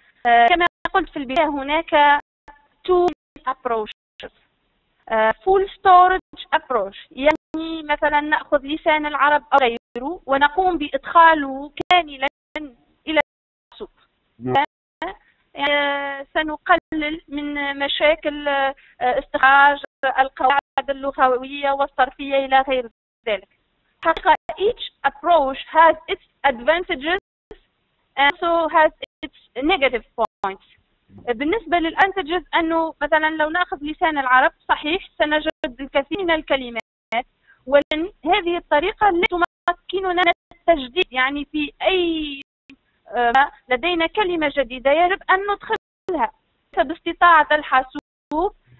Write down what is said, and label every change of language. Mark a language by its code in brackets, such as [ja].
[ar] كما قلت في البداية هناك two approaches، full storage approach، يعني مثلا نأخذ لسان العرب أو غيره ونقوم بإدخاله كاملا إلى السوق. يعني سنقلل من مشاكل استخراج القواعد اللغوية والصرفية إلى غير ذلك. [en] حقا each approach has its advantages and also has its negative points. [ar] بالنسبة للأنتجز أنه مثلا لو نأخذ لسان العرب صحيح سنجد الكثير من الكلمات، ولكن هذه الطريقة لا تمكننا من التجديد، يعني في أي لدينا كلمة جديدة يجب أن ندخلها باستطاعة الحاسوب